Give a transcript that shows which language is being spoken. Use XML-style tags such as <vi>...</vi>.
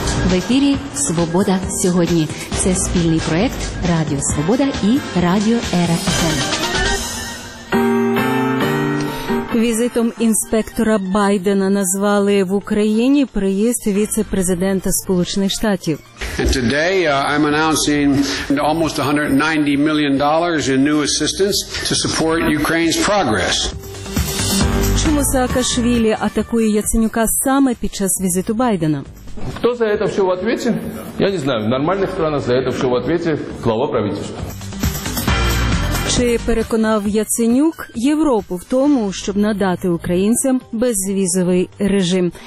<uk>В ефірі «Свобода сьогодні». Це спільний проєкт «Радіо Свобода» і «Радіо РФМ». Візитом інспектора Байдена назвали в Україні приїзд віце-президента Сполучених Штатів.</uk> <en>Today I'm announcing almost $190 million in new assistance to support Ukraine's progress.</en> <uk>Чому Саакашвілі атакує Яценюка саме під час візиту Байдена? Хто за це все в відповіді? Я не знаю, в нормальних країнах за це все в відповіді глава правительства. Чи переконав Яценюк Європу в тому, щоб надати українцям безвізовий режим?</uk>